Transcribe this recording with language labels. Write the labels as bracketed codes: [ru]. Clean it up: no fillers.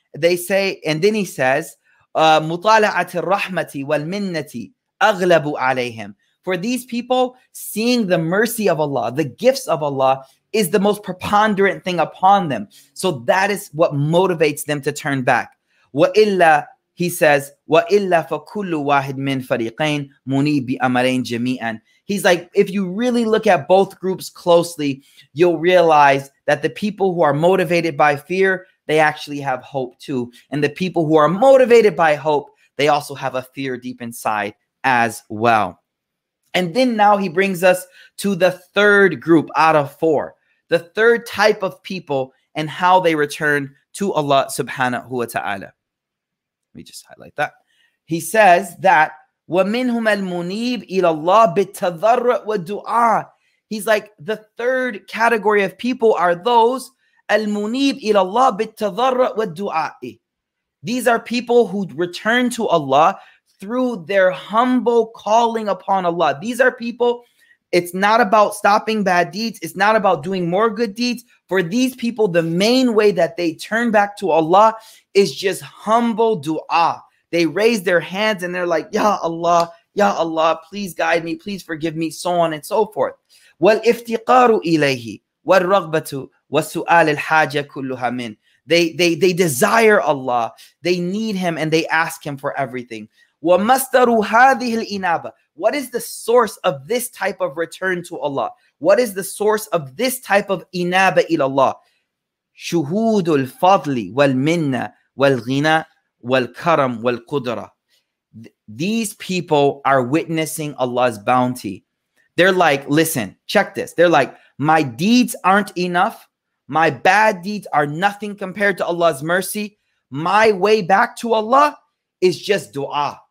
[en] They say, and then he says, [ar] مُطَالَعَةِ الرَّحْمَةِ وَالْمِنَّةِ أَغْلَبُ عَلَيْهِمْ. [en] For these people, seeing the mercy of Allah, the gifts of Allah, is the most preponderant thing upon them. So that is what motivates them to turn back. [ar] وَإِلَّا, [en] he says, [ar] وَإِلَّا فَكُلُّ وَاحِدْ مِنْ فَرِيقَيْنْ مُنِي بِأَمَرَيْنْ جَمِيعًا. [en] He's like, if you really look at both groups closely, you'll realize that the people who are motivated by fear, they actually have hope too. And the people who are motivated by hope, they also have a fear deep inside as well. And then now he brings us to the third group out of four, the third type of people and how they return to Allah subhanahu wa ta'ala. Let me just highlight that. He says that, [ar] وَمِنْهُمَ الْمُنِيبِ إِلَى اللَّهِ بِالتَّذَرُّعِ وَالدُّعَاءِ. [en] He's like, the third category of people are those [ar] المنيب إلى الله بالتضرع والدعاء. [en] These are people who return to Allah through their humble calling upon Allah. These are people, it's not about stopping bad deeds. It's not about doing more good deeds. For these people, the main way that they turn back to Allah is just humble dua. They raise their hands and they're like, Ya Allah, please guide me. Please forgive me. So on and so forth. [ar] والافتقار إليه والرغبة وسؤال الحاجة كلها من. [en] They desire Allah. They need Him and they ask Him for everything. [ar] ومصدر هذه الإنابة. [en] What is the source of this type of return to Allah? What is the source of this type of [ar] إنابة إلى الله? شهود الفضل والمنة والغنى والكرم والقدرة. [en] These people are witnessing Allah's bounty. They're like, listen, check this. They're like, my deeds aren't enough. My bad deeds are nothing compared to Allah's mercy. My way back to Allah is just dua.